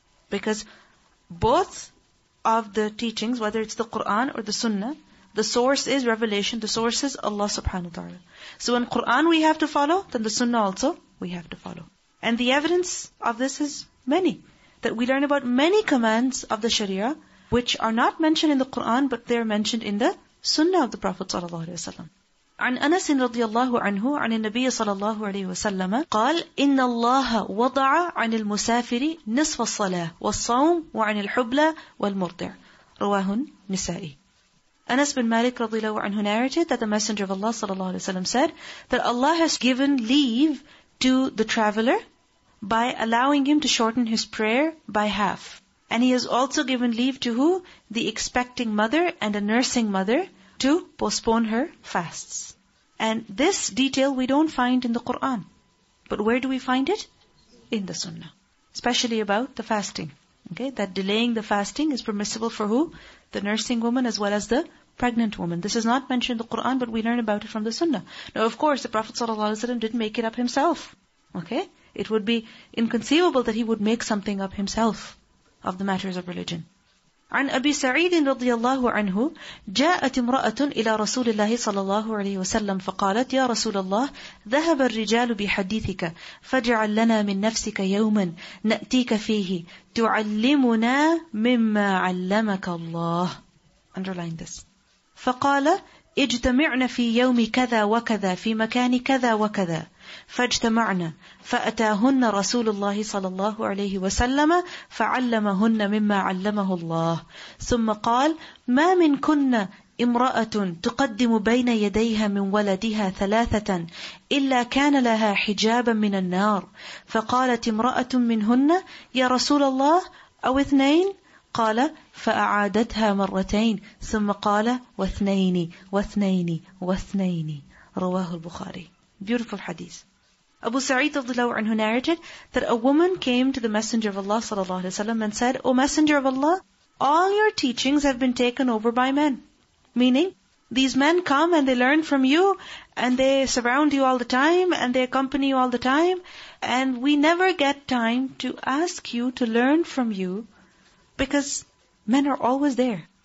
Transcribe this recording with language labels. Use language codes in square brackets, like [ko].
[en] Because both of the teachings, whether it's the Qur'an or the Sunnah, the source is revelation, the source is Allah subhanahu wa ta'ala. So in Qur'an we have to follow, then the Sunnah also we have to follow. And the evidence of this is many. That we learn about many commands of the Sharia, which are not mentioned in the Qur'an, but they are mentioned in the Sunnah of the Prophet ﷺ. [ar] عن أنس رضي الله عنه عن النبي صلى الله عليه وسلم قال إن الله وضع عن المسافر نصف الصلاة والصوم وعن الحبلة والمرضع رواه النسائي. [en] Anas bin Malik [ar] رضي الله عنه [en] narrated that the Messenger of Allah ﷺ said that Allah has given leave to the traveler by allowing him to shorten his prayer by half. And he has also given leave to who? The expecting mother and a nursing mother to postpone her fasts. And this detail we don't find in the Qur'an. But where do we find it? In the Sunnah. Especially about the fasting. Okay, that delaying the fasting is permissible for who? The nursing woman as well as the pregnant woman. This is not mentioned in the Qur'an, but we learn about it from the Sunnah. Now of course, the Prophet ﷺ didn't make it up himself. Okay, it would be inconceivable that he would make something up himself of the matters of religion. [ar] عن أبي سعيد رضي الله عنه جاءت امرأة إلى رسول الله صلى الله عليه وسلم فقالت يا رسول الله ذهب الرجال بحديثك فاجعل لنا من نفسك يوما نأتيك فيه تعلمنا مما علمك الله. [en] Underline this. [ar] فقال اجتمعنا في يوم كذا وكذا في مكان كذا وكذا فاجتمعنا فأتاهن رسول الله صلى الله عليه وسلم فعلمهن مما علمه الله ثم قال ما منكن امرأة تقدم بين يديها من ولدها ثلاثة إلا كان لها حجابا من النار فقالت امرأة منهن يا رسول الله أو اثنين قال فأعادتها مرتين ثم قال واثنين واثنين واثنين رواه البخاري. [en] Beautiful hadith. Abu Sa'id radiallahu anhu narrated that a woman came to the Messenger of Allah sallallahu alaihi wasallam and said, O Messenger of Allah, all your teachings have been taken over by men. Meaning, these men come and they learn from you and they surround you all the time and they accompany you all the time and we never get time to ask you to learn from you because men are always there.